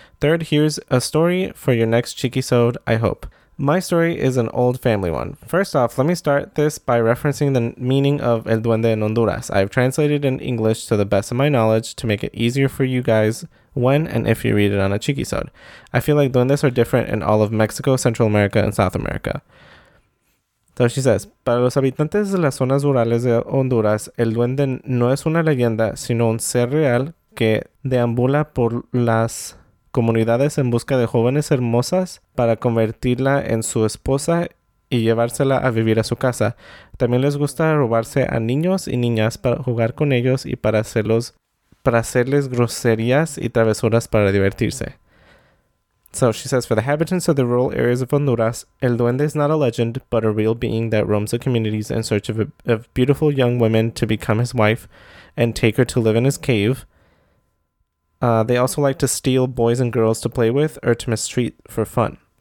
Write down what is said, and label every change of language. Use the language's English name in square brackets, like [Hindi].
[English] Third, here's a story for your next Chiquisode, I hope. My story is an old family one. First off, let me start this by referencing the meaning of El Duende in Honduras. I've translated in English to the best of my knowledge to make it easier for you guys when and if you read it on a Chiquisode. I feel like duendes are different in all of Mexico, Central America, and South America. So she says, [Spanish] para los habitantes de las zonas rurales de Honduras, el duende no es una leyenda, sino un ser real que deambula por las comunidades en busca de jóvenes hermosas para convertirla en su esposa y llevársela a vivir a su casa. También les gusta robarse a niños y niñas para jugar con ellos y para hacerles groserías y travesuras para divertirse. [English] So she says, for the inhabitants of the rural areas of Honduras, el duende is not a legend, but a real being that roams the communities in search of of beautiful young women to become his wife and take her to live in his cave. They also like to steal boys and girls to play with or to mistreat for fun.